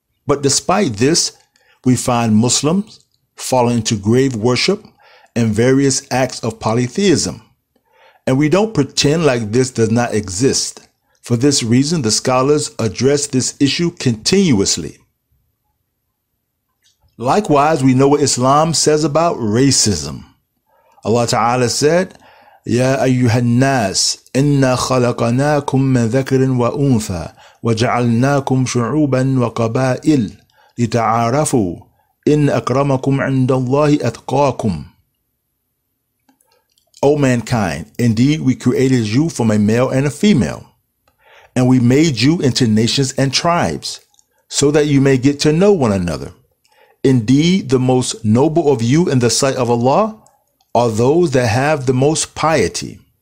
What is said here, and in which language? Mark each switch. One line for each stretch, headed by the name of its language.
English: But despite this, we find Muslims falling into grave worship and various acts of polytheism. And we don't pretend like this does not exist. For this reason, the scholars address this issue continuously. Likewise, we know what Islam says about racism. Allah Ta'ala said,
Arabic: يَا أَيُّهَا النَّاسِ إِنَّا خَلَقَنَاكُمْ مِنْ ذَكْرٍ وَأُنْثَى وَجَعَلْنَاكُمْ شُعُوبًا وَقَبَائِلْ لِتَعَارَفُوا إِنْ أَكْرَمَكُمْ عِنْدَ اللَّهِ أَتْقَاكُمْ.
English: O mankind, indeed we created you from a male and a female, and we made you into nations and tribes, so that you may get to know one another. Indeed, the most noble of you in the sight of Allah are those that have the most piety.